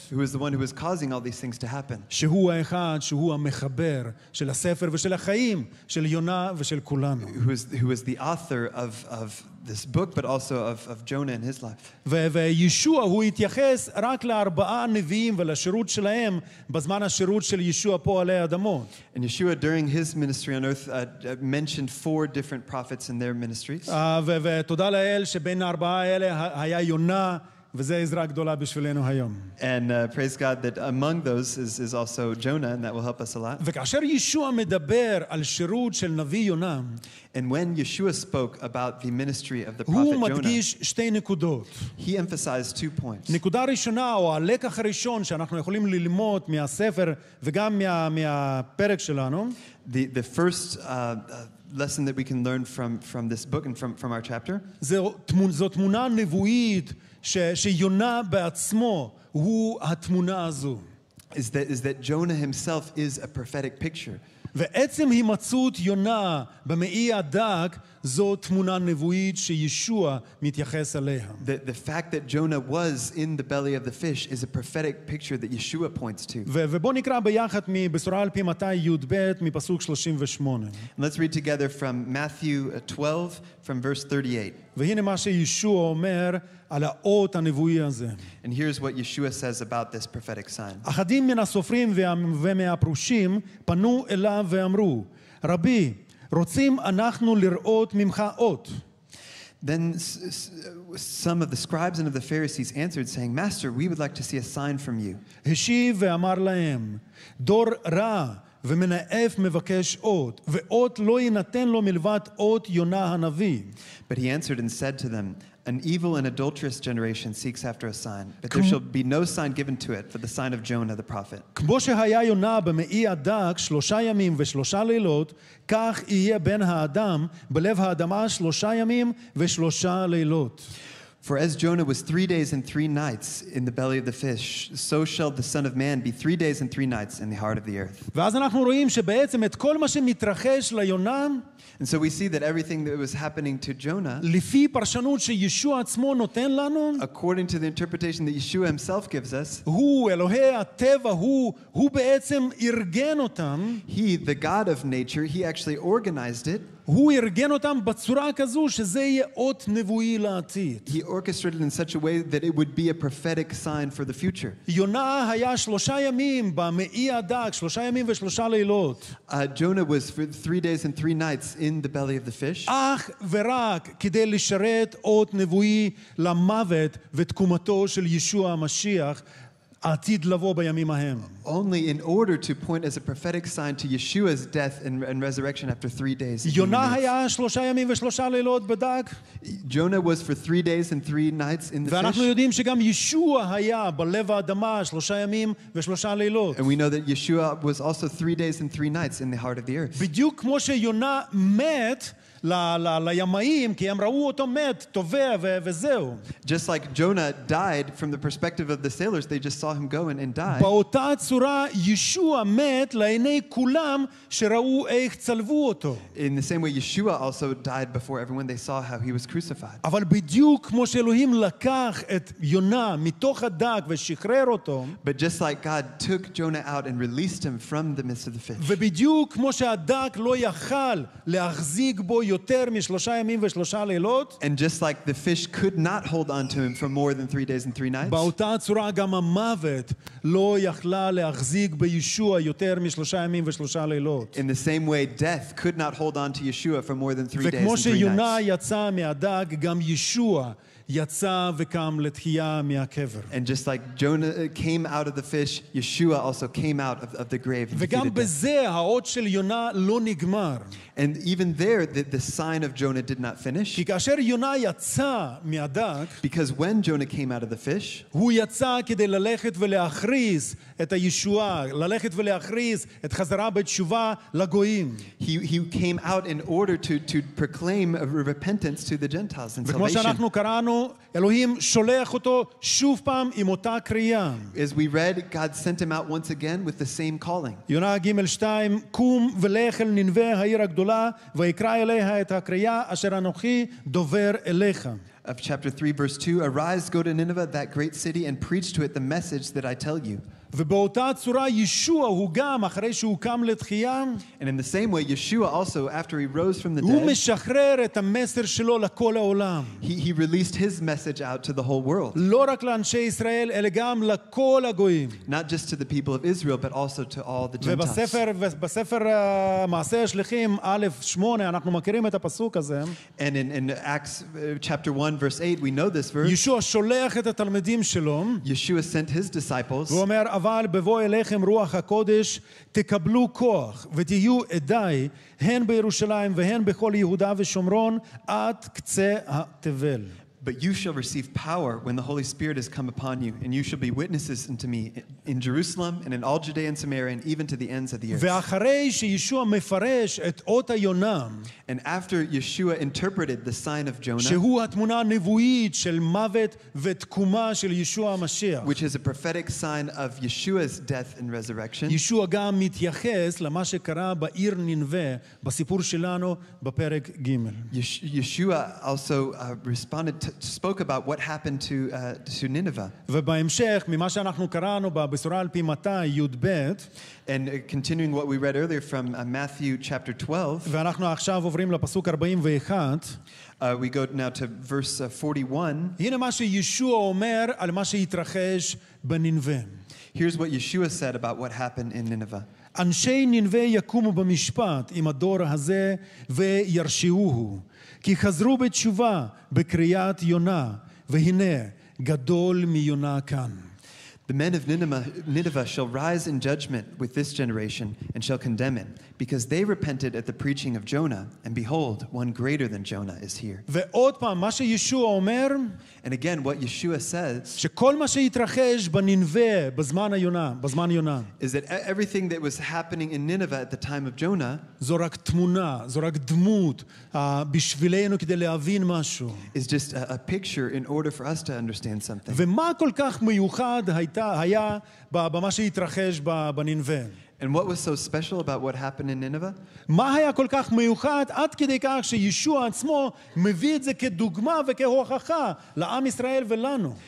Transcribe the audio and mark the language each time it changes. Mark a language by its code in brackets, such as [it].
[en] Who is the one who is causing all these things to happen. [he] שהוא האחד, שהוא המחבר של הספר ושל החיים של יונה ושל כולנו. [en] Who is the author of this book, but also of Jonah and his life. [he] וישוע, הוא התייחס רק לארבעה נביאים ולשירות שלהם בזמן השירות של ישוע פה עלי אדמות. [en] And Yeshua, during his ministry on earth, mentioned four different prophets in their ministries. [he] ותודה לאל שבין הארבעה האלה היה יונה, וזה עזרה גדולה בשבילנו היום. [en] And praise God that among those is also Jonah, and that will help us a lot. [he] וכאשר ישוע מדבר על שירות של נביא יונה, [en] and when Yeshua spoke about the ministry of the prophet [he] Jonah, הוא מדגיש שתי נקודות. [en] He emphasized two points. [he] נקודה ראשונה, או הלקח הראשון שאנחנו יכולים ללמוד מהספר וגם מהפרק שלנו, [en] the first lesson that we can learn from this book and from our chapter, [he] זו תמונה נבואית שיונה בעצמו הוא התמונה הזו. [en] Is that Jonah himself is a prophetic picture. [he] ועצם הימצאות יונה במעי הדג זו תמונה נבואית שישוע מתייחס אליה. [en] The fact that Jonah was in the belly of the fish is a prophetic picture that Yeshua points to. [he] ובוא נקרא ביחד מבשורה על פי מתי י"ב מפסוק 38. [en] Let's read together from Matthew 12 from verse 38. [he] והנה מה שישוע אומר על האות הנבואי הזה. [en] And here's what Yeshua says about this prophetic sign. [he] אחדים מן הסופרים ומהפרושים פנו אליו ואמרו, רבי, רוצים אנחנו לראות ממך אות. [en] Then some of the scribes and of the Pharisees answered, saying, Master, we would like to see a sign from you. [he] השיב ואמר להם, דור רע ומנאף מבקש אות, ואות לא יינתן לו מלבד אות יונה הנביא. [en] But he answered and said to them, an evil and adulterous generation seeks after a sign, but there shall be no sign given to it for the sign of Jonah the prophet. [he] כמו שהיה יונה במעי הדג שלושה ימים ושלושה לילות, כך יהיה בן האדם בלב האדמה שלושה ימים ושלושה לילות. [en] For as Jonah was 3 days and three nights in the belly of the fish, so shall the Son of Man be 3 days and three nights in the heart of the earth. [he] ואז אנחנו רואים שבעצם את כל מה שמתרחש ליונה, [en] and so we see that everything that was happening to Jonah, [he] לפי פרשנות שישוע עצמו נותן לנו, [en] according to the interpretation that Yeshua himself gives us, [he] הוא, אלוהי הטבע, הוא בעצם ארגן אותם. [en] He, the God of nature, he actually organized it. [he] הוא ארגן אותם בצורה כזו שזה יהיה אות נבואי לעתיד. [en] He orchestrated in such a way that it would be a prophetic sign for the future. [he] יונה היה שלושה ימים במעי הדג, שלושה ימים ושלושה לילות. [en] Jonah was for 3 days and three nights in the belly of the fish. [he] אך ורק כדי לשרת אות נבואי למוות ותקומתו של ישוע המשיח, עתיד לבוא בימים ההם. [en] Only in order to point as a prophetic sign to Yeshua's death and resurrection after 3 days. [he] יונה היה שלושה ימים ושלושה לילות בדג. [en] Jonah was for 3 days and three nights in the fish. [he] ואנחנו יודעים שגם ישוע היה בלב האדמה שלושה ימים ושלושה לילות. [en] And we know that Yeshua was also 3 days and three nights in the heart of the earth. [he] בדיוק כמו שיונה מת לימאים, כי הם ראו אותו מת, טובע, וזהו. [en] Just like Jonah died from the perspective of the sailors, they just saw him go and die. באותה צורה, ישוע מת לעיני כולם שראו איך צלבו אותו. In the same way, Yeshua also died before everyone. They saw how he was crucified. [he] אבל בדיוק כמו שאלוהים לקח את יונה מתוך הדג ושחרר אותו. [en] But just like God took Jonah out and released him from the midst of the fish. [he] ובדיוק כמו שהדג לא יכל להחזיק בו יותר משלושה ימים ושלושה לילות. [en] And just like the fish could not hold on to him for more than 3 days and 3 nights. [he] באותה צורה גם המוות לא יכלה להחזיק בישוע יותר משלושה ימים ושלושה לילות. [en] In the same way, death could not hold on to Yeshua for more than 3 days and 3 nights. [he] וכמו שיונה יצא מהדג, גם ישוע יצא וקם לתחייה מהקבר. [en] And just like Jonah came out of the fish, Yeshua also came out of the grave. [he] וגם בזה האות של יונה לא נגמר. [en] And even there, the sign of Jonah did not finish. [he] כי כאשר יונה יצא מהדג, [en] because when Jonah came out of the fish, [he] הוא יצא כדי ללכת ולהכריז את הישוע, ללכת ולהכריז את חזרה בתשובה לגויים. [en] He came out in order to proclaim repentance to the Gentiles and salvation. [he] וכמו שאנחנו קראנו, אלוהים שולח אותו שוב פעם עם אותה קריאה. [en] As we read, God sent him out once again with the same calling. [he] יונה ג' 2, קום ולך אל נינווה העיר הגדולה ויקרא אליה את הקריאה אשר אנוכי דובר אליך. [en] Of chapter 3, verse 2, arise, go to Nineveh, that great city, and preach to it the message that I tell you. [he] ובאותה צורה ישוע הוא גם אחרי שהוא קם לתחייה, [en] and in the same way Yeshua also after he rose from the dead, [he] הוא משחרר את המסר שלו לכל העולם. [en] He released his message out to the whole world. [he] לא רק לאנשי ישראל אלא גם לכל הגויים. [en] Not just to the people of Israel but also to all the Gentiles. [he] ובספר מעשה השליחים א' 8 אנחנו מכירים את הפסוק הזה. [en] And in Acts chapter 1 verse 8 we know this verse. [he] ישוע שולח את התלמידים שלו. [en] Yeshua sent his disciples. [he] והוא אומר אבל בבוא אליכם רוח הקודש תקבלו כוח ותהיו עדי הן בירושלים והן בכל יהודה ושומרון עד קצה התבל. [en] But you shall receive power when the Holy Spirit has come upon you, and you shall be witnesses unto me in Jerusalem and in all Judea and Samaria and even to the ends of the earth. [he] ואחרי שישוע מפרש את אות יונה, [en] and after Yeshua interpreted the sign of Jonah, [he] שהוא התמונה הנבואית של מוות ותקומה של ישוע המשיח, [en] which is a prophetic sign of Yeshua's death and resurrection, [he] ישוע גם מתייחס למה שקרה בעיר נינווה בסיפור שלנו בפרק ג'. [en] Yeshua also responded spoke about what happened to Nineveh. [he] ובהמשך, ממה שאנחנו קראנו בבשורה על פי מתי, י"ב, [en] and continuing what we read earlier from Matthew chapter 12, [he] ואנחנו עכשיו עוברים לפסוק 41, [en] we go now to verse 41, [he] הנה מה שישוע אומר על מה שהתרחש בנינווה. [en] Here's what Yeshua said about what happened in Nineveh. [he] אנשי נינווה יקומו במשפט עם הדור הזה וירשיעוהו. כי חזרו בתשובה בקריאת יונה, והנה גדול מיונה כאן. [en] The men of Nineveh shall rise in judgment with this generation and shall condemn it, because they repented at the preaching of Jonah, and behold, one greater than Jonah is here. [he] ועוד פעם, מה שישוע אומר, [en] and again, what Yeshua says, [he] שכל מה שיתרחש בנינווה בזמן היונה, בזמן יונה, [en] is that everything that was happening in Nineveh at the time of Jonah, [he] זו רק תמונה, זו רק דמות, בשבילנו כדי להבין משהו, [en] is just a picture in order for us to understand something. [he] ומה כל כך מיוחד היה במה שיתרחש בנינווה? [en] And what was so special about what happened in Nineveh? [he] מה היה כל כך מיוחד עד כדי כך שישוע עצמו מביא את זה כדוגמה וכהוכחה לעם ישראל ולנו?